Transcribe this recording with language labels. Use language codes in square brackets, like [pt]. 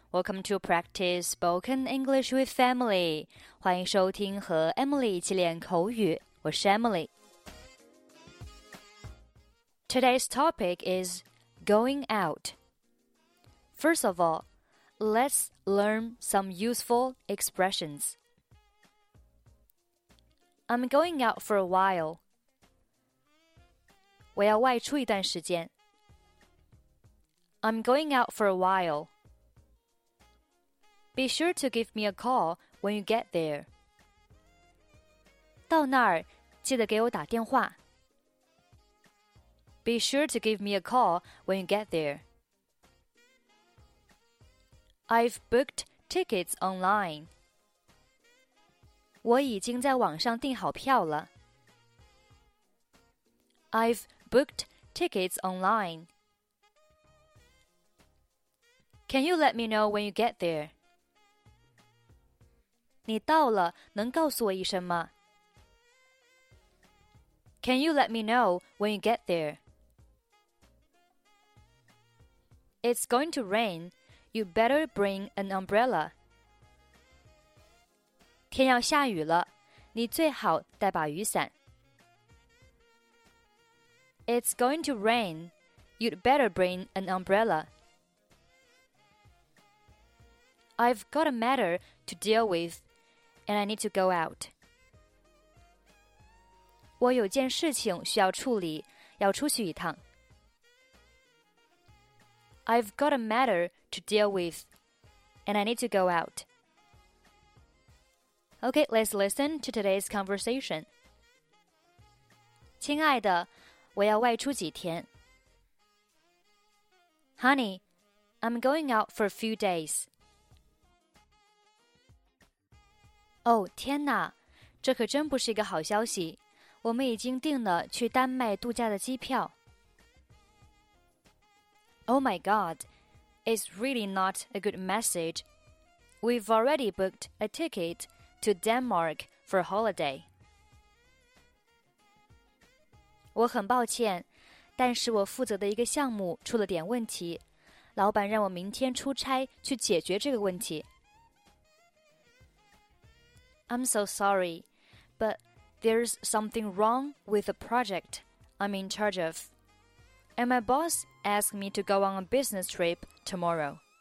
[en] Welcome to practice spoken English with Emily. [zh] 欢迎收听和 Emily 一起练口语。我是 Emily. [en] Today's topic is going out. First of all, let's learn some useful expressions. I'm going out for a while. [zh] 我要外出一段时间。 [en] I'm going out for a while. Be sure to give me a call when you get there. [zh] 到那儿，记得给我打电话。 [en] Be sure to give me a call when you get there. I've booked tickets online. [zh] 我已经在网上订好票了。 [en] I've booked tickets online. Can you let me know when you get there? [zh] 你到了，能告诉我一声吗？ [en] Can you let me know when you get there? It's going to rain. You better bring an umbrella. [zh] 天要下雨了，你最好带把雨伞。 [en] It's going to rain. You'd better bring an umbrella. I've got a matter to deal with, and I need to go out. [zh] 我有件事情需要处理，要出去一趟。 [en] I've got a matter to deal with, and I need to go out. Okay, let's listen to today's conversation. [zh] 亲爱的，我要外出几天。 [en] Honey, I'm going out for a few days. [zh] 哦，天哪，这可真不是一个好消息。我们已经订了去丹麦度假的机票。 [en] Oh my god, it's really not a good message. We've already booked a ticket to Denmark for a holiday. [zh] 我很抱歉，但是我负责的一个项目出了点问题，老板让我明天出差去解决这个问题。 [en] I'm so sorry, but there's something wrong with the project I'm in charge of, and my boss asked me to go on a business trip tomorrow.